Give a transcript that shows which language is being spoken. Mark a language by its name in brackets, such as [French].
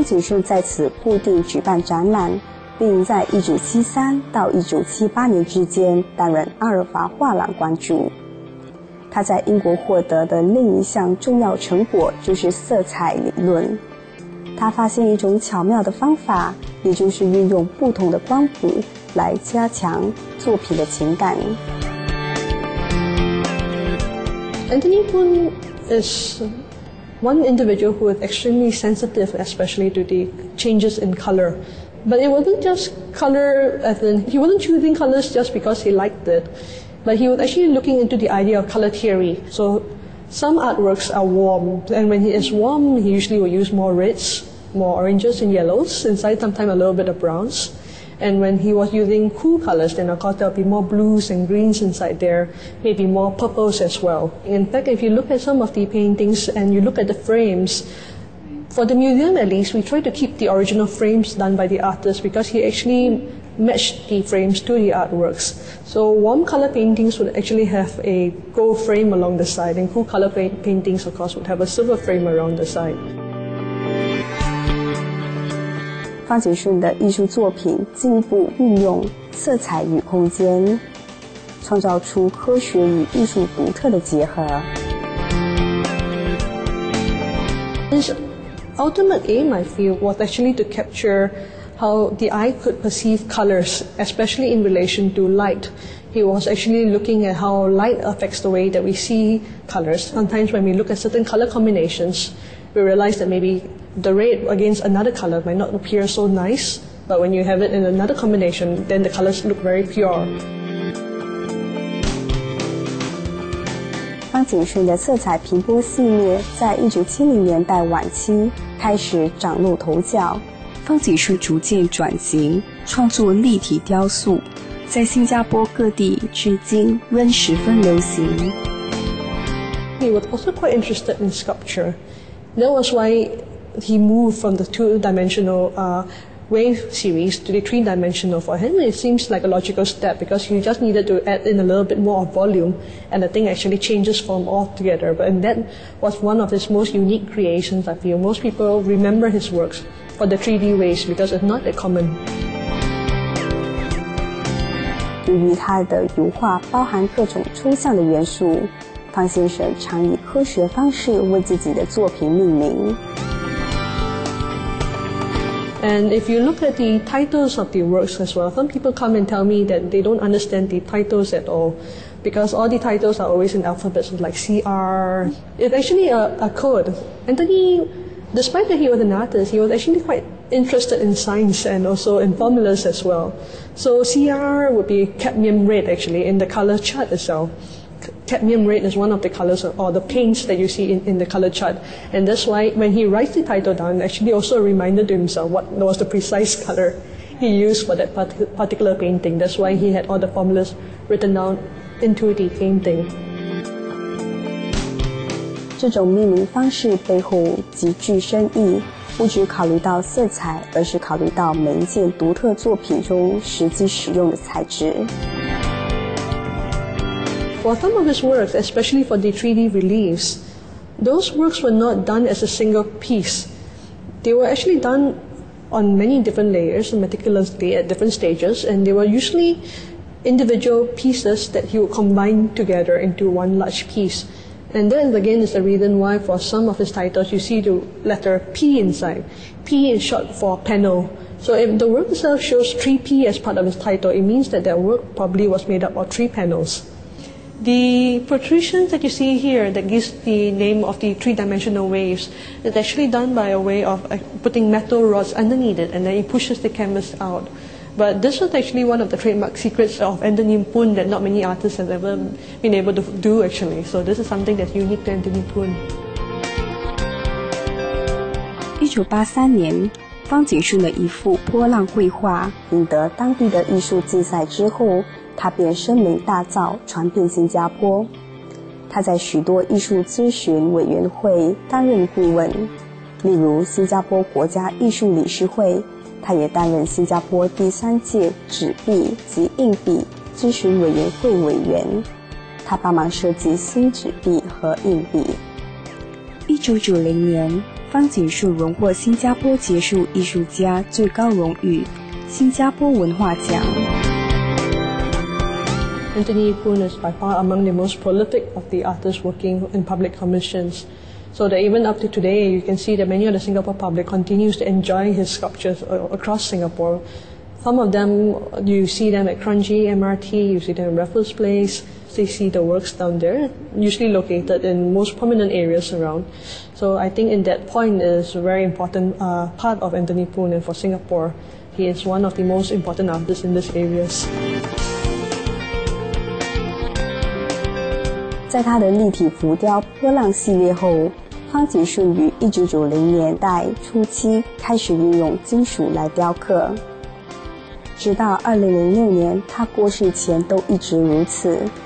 [Chinese] 这些作品运用了造型画布，它有另一般的矩形画布与被视为素材的极定印象。方景顺运用数学方法，精确地计算每个图案，以达到完美对称及特定的比例。这些作品展示于阿尔法画廊，并获得画廊第一任馆主的支持。方景顺在此固定举办展览。并在1973到1978年之间担任阿尔法画廊馆主。他在英国获得的另一项重要成果就是色彩理论。他发现一种巧妙的方法，也就是运用不同的光谱来加强作品的情感。Anthony [English] Poon is one individual who is extremely sensitive, especially to the changes in color. But it wasn't just color, as in, he wasn't choosing colors just because he liked it. But he was actually looking into the idea of color theory. So some artworks are warm, and when it's warm, he usually will use more reds, more oranges and yellows, inside sometimes a little bit of browns. And when he was using cool colors, then of course there'll be more blues and greens inside there, maybe more purples as well. In fact, if you look at some of the paintings and you look at the frames, for the museum at least, we try to keep the original frames done by the artist because he actually matched the frames to the artworks. So warm color paintings would actually have a gold frame along the side, and cool color paintings, of course, would have a silver frame around the side. [Chinese] 方景顺的艺术作品进一步运用色彩与空间，创造出科学与艺术独特的结合。 [English] His ultimate aim, I feel, was actually to capture how the eye could perceive colors, especially in relation to light. He was actually looking at how light affects the way that we see colors. Sometimes when we look at certain color combinations, we realize that maybe the red against another color might not appear so nice, but when you have it in another combination, then the colors look very pure. [Chinese] 方景顺的色彩平波系列在1970年代晚期开始崭露头角。方景顺逐渐转型，创作立体雕塑，在新加坡各地至今仍十分流行。 [English] He was also quite interested in sculpture. That was why he moved from the two-dimensional wave series to the three-dimensional. For him, it seems like a logical step because he just needed to add in a little bit more of volume, and the thing actually changes form altogether. But that was one of his most unique creations, I feel. Most people remember his works. For the 3D ways, because it's not that common. [Chinese] 由于他的油画包含各种抽象的元素，方先生常以科学方式为自己的作品命名。 [English] And if you look at the titles of the works as well, some people come and tell me that they don't understand the titles at all, because all the titles are always in alphabets, like CR. It's actually a code. Anthony. Despite that he was an artist, he was actually quite interested in science and also in formulas as well. So CR would be cadmium red, actually, in the color chart itself. Cadmium red is one of the colors or the paints that you see in the color chart. And that's why when he writes the title down, actually also reminded himself what was the precise color he used for that particular painting. That's why he had all the formulas written down into the painting. [Chinese] 这种命名方式背后极具深意，不只考虑到色彩，而是考虑到每一件独特作品中实际使用的材质。 [English] For some of his works, especially for the 3D reliefs, those works were not done as a single piece. They were actually done on many different layers, meticulously at different stages, and they were usually individual pieces that he would combine together into one large piece. And that, again, is the reason why for some of his titles, you see the letter P inside. P is short for panel. So if the work itself shows 3P as part of his title, it means that work probably was made up of three panels. The protrusions that you see here that gives the name of the three-dimensional waves is actually done by a way of putting metal rods underneath it, and then it pushes the canvas out. But this was actually one of the trademark secrets of Anthony Poon that not many artists have ever been able to do, actually. So this is something that's unique to Anthony Poon. [Chinese] 1983年，方景顺的一幅波浪绘画赢得当地的艺术竞赛之后，他便声名大噪，传遍新加坡。他在许多艺术咨询委员会担任顾问，例如新加坡国家艺术理事会。他也担任新加坡第三届纸币及硬币咨询委员会委员，他帮忙设计新纸币和硬币。 1990年，方景顺荣获新加坡杰出艺术家最高荣誉——新加坡文化奖。 [English] Anthony Poon is by far among the most prolific of the artists working in public commissions. So that even up to today, you can see that many of the Singapore public continues to enjoy his sculptures across Singapore. Some of them, you see them at Kranji MRT, you see them in Raffles Place, they see the works down there, usually located in most prominent areas around. So I think in that point is a very important part of Anthony Poon and for Singapore. He is one of the most important artists in these areas. [Chinese] 在他的立体浮雕波浪系列后，方景顺于1990年代初期开始运用金属来雕刻。直到2006年他过世前都一直如此。